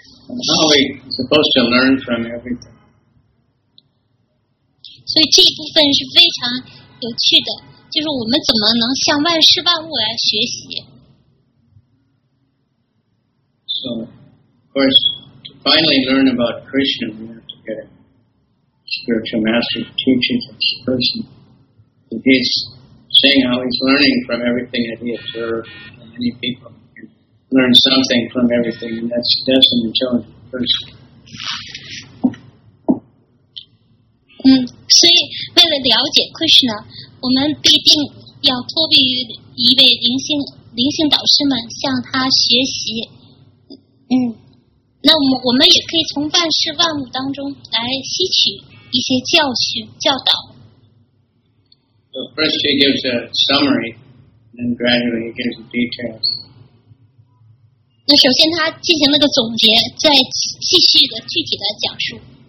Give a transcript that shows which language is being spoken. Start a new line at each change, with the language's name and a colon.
English: How are we supposed to learn from everything?
Chinese: 所以这一部分是非常有趣的，就是我们怎么能向万事万物来学习。
English: So, of course, to finally learn about Krishna, we have to get a spiritual master to teach this person. So he's saying how he's learning from everything that he observed. Many people can learn something from everything, and that's an intelligent person.
Chinese: 所以为了了解 Krishna, 我们必定要托庇于一位灵性导师们，向他学习。我们也可以从万事万物当中来吸取一些教训教导。
English: So first he gives a summary, then gradually he gives the details.
Chinese: 那首先他进行了个总结，再继续的具体的讲述。